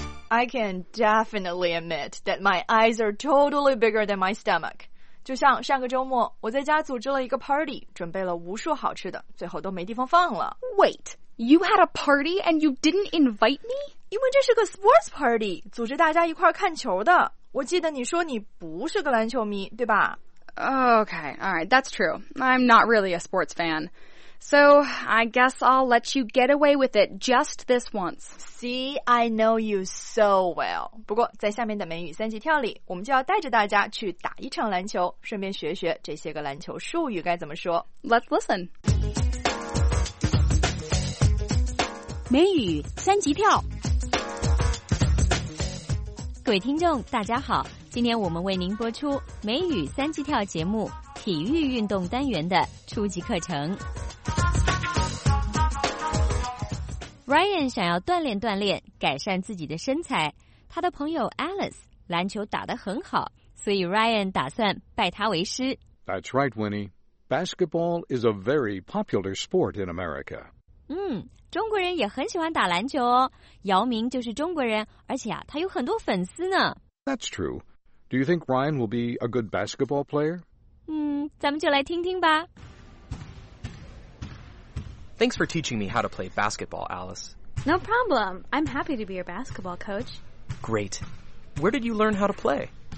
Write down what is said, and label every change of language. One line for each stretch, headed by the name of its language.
English: I can definitely admit that my eyes are totally bigger than my stomach.
Chinese: 就像上个周末我在家组织了一个 party, 准备了无数好吃的最后都没地方放了。
English: Wait, you had a party and you didn't invite me?
Chinese: 因为这是个
English: sports party,
Chinese: 组织大家一块看球的。我记得你说你不是个篮球迷对吧
English: Okay, alright, that's true. I'm not really a sports fan. So, I guess I'll let you get away with it just this once. See, I know you so well.
Chinese: 不过在下面的美语三级跳里我们就要带着大家去打一场篮球顺便学学这些个篮球术语该怎么说。
English: Let's listen.
Chinese: 美语三级跳各位听众大家好今天我们为您播出美语三级跳节目体育运动单元的初级课程。 Ryan 想要锻炼锻炼改善自己的身材他的朋友 Alice 篮球打得很好所以 Ryan 打算拜他为师
English: That's right, Winnie. Basketball is a very popular sport in America.
Chinese: 中国人也很喜欢打篮球哦姚明就是中国人而且他有很多粉丝呢
English: That's true. Do you think Ryan will be a good basketball player?
Chinese: 咱们就来听听吧
English: Thanks for teaching me how to play basketball, Alice. No problem. I'm happy to be your basketball coach. Great. Where did you learn how to play?